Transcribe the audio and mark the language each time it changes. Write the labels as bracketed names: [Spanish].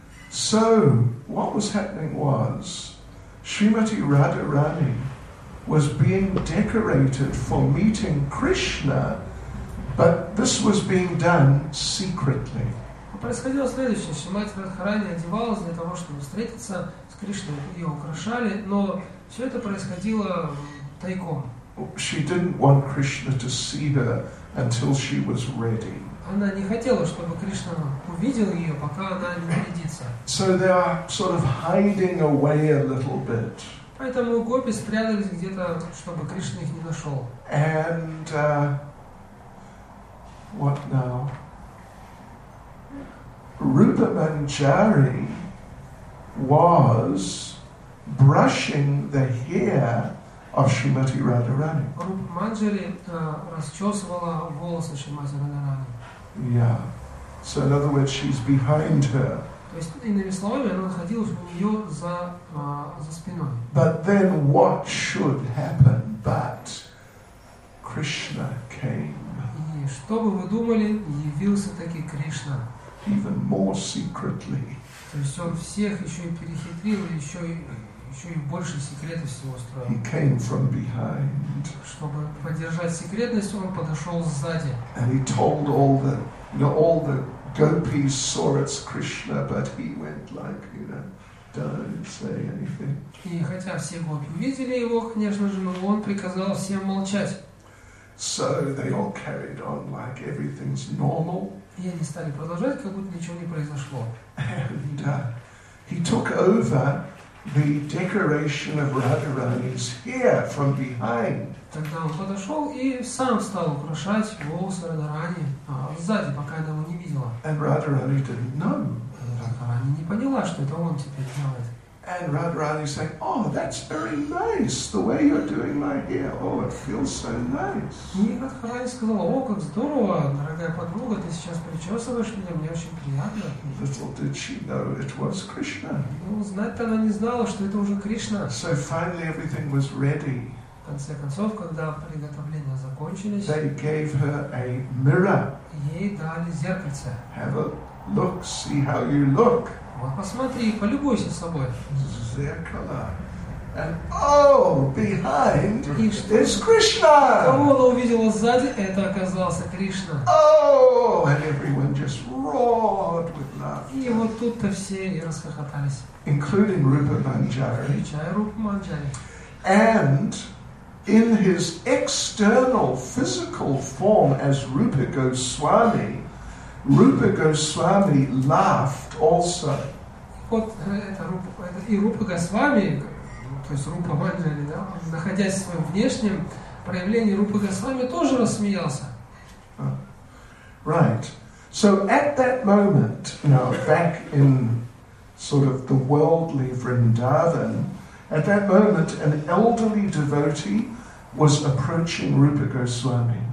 [English] So what was happening was Srimati Radharani was being decorated for meeting Krishna, but this was being done secretly. [Russian] Происходило следующее: Шримати Радхарани одевалась для того, чтобы встретиться с Кришной, ее украшали, но все это происходило тайком. [English] She didn't want Krishna to see her until she was ready. [Russian] Она не хотела, чтобы Кришна увидел ее, пока она не нарядится. [English] So they are sort of hiding away a little bit. [Russian] Поэтому гопи спрятались где-то, чтобы Кришна их не нашел. [English] And what now? Rupa Manjari was brushing the hair of Srimati Radharani. [Russian] Rupa Manjari расчесывала волосы Шримати Радхарани. [English] Yeah. So in other words, she's behind her. [Russian] То есть, иными словами, она находилась у нее за спиной. [English] But then what should happen? But Krishna came. [Russian] И что бы вы думали, явился таки Кришна. [English] Even more secretly. [Russian] То есть он всех еще и перехитрил, еще и больше секретности устроил. [English] He came from behind. [Russian] Чтобы поддержать секретность, он подошел сзади. [English] And he told all the, you know, all the gopis saw it's Krishna, but he went like, you know, don't say anything. [Russian] И хотя все гопи увидели его, конечно же, но он приказал всем молчать. [English] So they all carried on like everything's normal. [Russian] И они стали продолжать, как будто ничего не произошло. [English] And he took over the decoration of Radharani's hair from behind. [Russian] Тогда он подошел и сам стал украшать волосы Радхарани сзади, пока она его не видела. [English] And Radharani didn't know. [Russian] Радхарани не поняла, что это он теперь делает. [English] And Radharani said, "Oh, that's very nice. The way you're doing my hair. Oh, it feels so nice." [Russian] И Радхарани сказала: "О, как здорово, дорогая подруга, ты сейчас причесываешь меня, мне очень приятно." [English] Little did she know it was Krishna. [Russian] Ну, знать-то она не знала, что это уже Кришна. [English] So finally, everything was ready. [Russian] В конце концов, когда приготовления закончились, [English] they gave her a mirror. [Russian] Ей дали зеркальце. [English] Have a look. See how you look. [Russian] Вот посмотри, полюбуйся собой. Зеркало. [English] And oh, behind is Krishna. [Russian] Кого она увидела сзади? Это оказался Кришна. [English] Oh, and everyone just roared with laughter. [Russian] И вот тут-то все и расхохотались. [English] Including Rupa Manjari. [Russian] Включая Рупу Манджари. [English] And in his external physical form as Rupa Goswami, Rupa Goswami laughed also. [Russian] Вот это Рупа, это и Рупа Госвами, то есть Рупа Манджари, да, находясь в своем внешнем проявлении, Рупа Госвами тоже рассмеялся. [English] Oh. Right. So at that moment, now back in sort of the worldly Vrindavan, at that moment an elderly devotee was approaching Rupa Goswami.